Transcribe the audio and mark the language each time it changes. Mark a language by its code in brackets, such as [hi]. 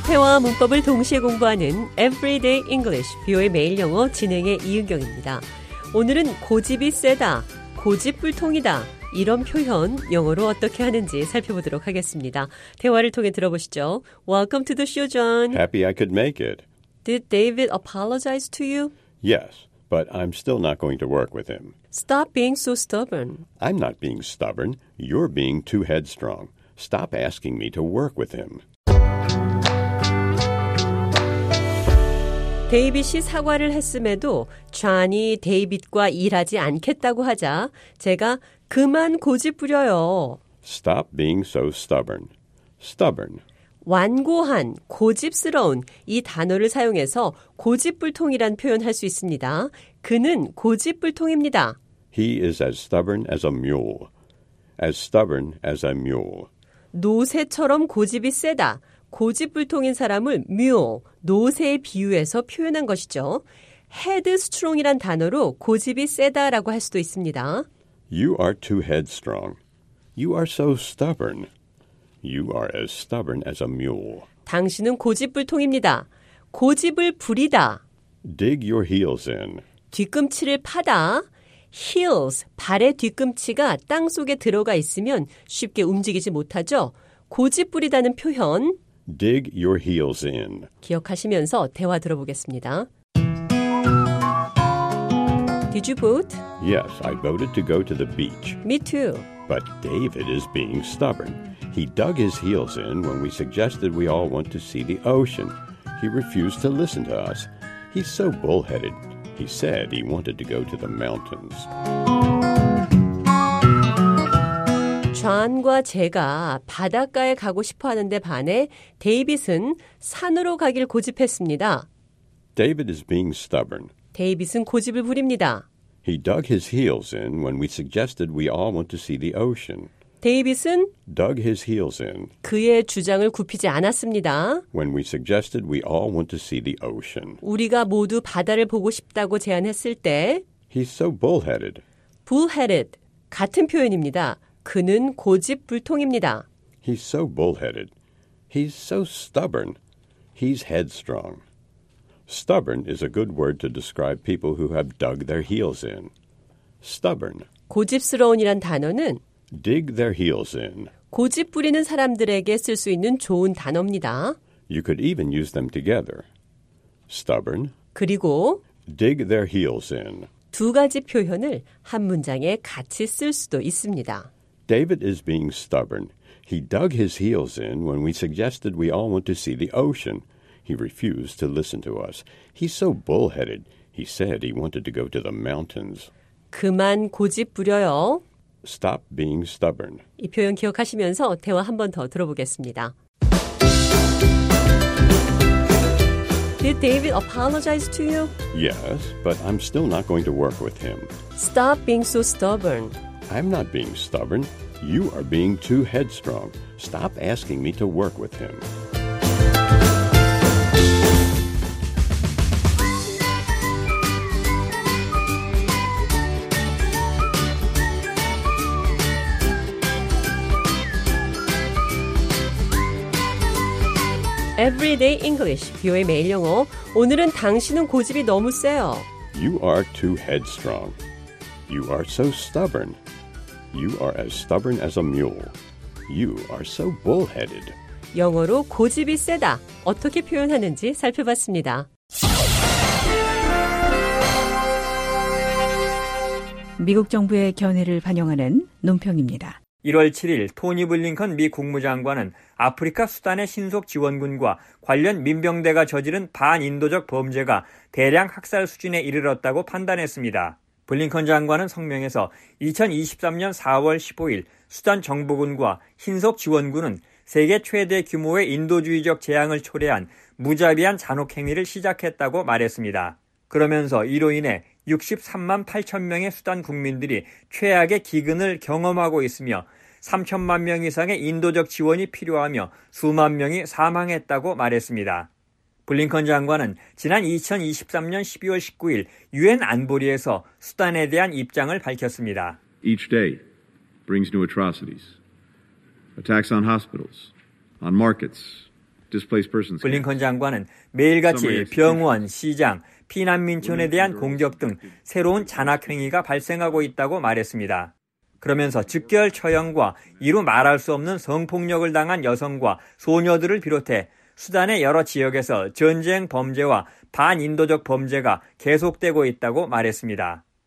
[ko] 회화와 문법을 동시에 공부하는 Everyday English, 뷰의 매일 영어 진행의 이은경입니다. 오늘은 고집이 세다, 고집불통이다, 이런 표현 영어로 어떻게 하는지 살펴보도록 하겠습니다. 대화를 통해 들어보시죠. [en] Welcome to the show, John. Happy I could make it. Did David apologize to you? Yes, but I'm still not going to work with him. Stop being so stubborn. I'm not being stubborn. You're being too headstrong. Stop asking me to work with him. [ko] 데이빗이 사과를 했음에도 존이 데이빗과 일하지 않겠다고 하자 제가 그만 고집 부려요. [en] Stop being so stubborn. Stubborn. [ko] 완고한, 고집스러운 이 단어를 사용해서 고집불통이란 표현할 수 있습니다. 그는 고집불통입니다. [en] He is as stubborn as a mule. As stubborn as a mule. [ko] 노새처럼 고집이 세다. 고집불통인 사람을 mule, 노새에 비유해서 표현한 것이죠. headstrong이란 단어로 고집이 세다라고 할 수도 있습니다. [en] You are too headstrong. You are so stubborn. You are as stubborn as a mule. [ko] 당신은 고집불통입니다. 고집을 부리다. [en] Dig your heels in. [ko] 뒤꿈치를 파다. Heels, 발의 뒤꿈치가 땅 속에 들어가 있으면 쉽게 움직이지 못하죠. 고집부리다는 표현. [en] Dig your heels in. [ko] 기억하시면서 대화 들어보겠습니다. [en] Did you vote? Yes, I voted to go to the beach. Me too. But David is being stubborn. He dug his heels in when we suggested we all went to see the ocean. He refused to listen to us. He's so bullheaded. He said he wanted to go to the mountains. [ko] John과 제가 바닷가에 가고 싶어 하는데 반해 데이빗은 산으로 가길 고집했습니다. [en] David is being stubborn. [ko] 데이빗은 고집을 부립니다. [en] He dug his heels in when we suggested we all want to see the ocean. [ko] 데이빗은 [en] dug his heels in [ko] 그의 주장을 굽히지 않았습니다. [en] When we suggested we all want to see the ocean. [ko] 우리가 모두 바다를 보고 싶다고 제안했을 때 [en] He's so bullheaded. [ko] Bullheaded 같은 표현입니다. 그는 고집불통입니다. [en] He's so bullheaded. He's so stubborn. He's headstrong. Stubborn is a good word to describe people who have dug their heels in. Stubborn. [ko] 고집스러운이란 단어는 [en] dig their heels in. [ko] 고집 부리는 사람들에게 쓸 수 있는 좋은 단어입니다. [en] You could even use them together. Stubborn. [ko] 그리고 [en] dig their heels in. [ko] 두 가지 표현을 한 문장에 같이 쓸 수도 있습니다. [en] David is being stubborn. He dug his heels in when we suggested we all went to see the ocean. He refused to listen to us. He's so bullheaded. He said he wanted to go to the mountains. [ko] 그만 고집 부려요. [en] Stop being stubborn. [ko] 이 표현 기억하시면서 대화 한 번 더 들어보겠습니다. [en] Did David apologize to you? Yes, but I'm still not going to work with him. Stop being so stubborn. I'm not being stubborn. You are being too headstrong. Stop asking me to work with him. [ko] Everyday English, 뷰의 매일 영어. 오늘은 당신은 고집이 너무 세요. [en] You are too headstrong. You are so stubborn. You are as stubborn as a mule. You are so bullheaded. [ko] 영어로 고집이 세다. 어떻게 표현하는지 살펴봤습니다. 미국 정부의 견해를 반영하는 논평입니다. 1월 7일 토니 블링컨 미 국무장관은 아프리카 수단의 신속 지원군과 관련 민병대가 저지른 반인도적 범죄가 대량 학살 수준에 이르렀다고 판단했습니다. 블링컨 장관은 성명에서 2023년 4월 15일 수단 정부군과 신속 지원군은 세계 최대 규모의 인도주의적 재앙을 초래한 무자비한 잔혹행위를 시작했다고 말했습니다. 그러면서 이로 인해 63만 8천 명의 수단 국민들이 최악의 기근을 경험하고 있으며 3천만 명 이상의 인도적 지원이 필요하며 수만 명이 사망했다고 말했습니다. 블링컨 장관은 지난 2023년 12월 19일 유엔 안보리에서 수단에 대한 입장을 밝혔습니다. [en] Each day brings new atrocities. Attacks on hospitals, on markets, displaced persons. [ko] 블링컨 장관은 매일같이 병원, 시장, 피난민촌에 대한 공격 등 새로운 잔악행위가 발생하고 있다고 말했습니다. 그러면서 즉결 처형과 이루 말할 수 없는 성폭력을 당한 여성과 소녀들을 비롯해 수단의 여러 지역에서 전쟁 범죄와 반인도적 범죄가 계속되고 있다고 말했습니다.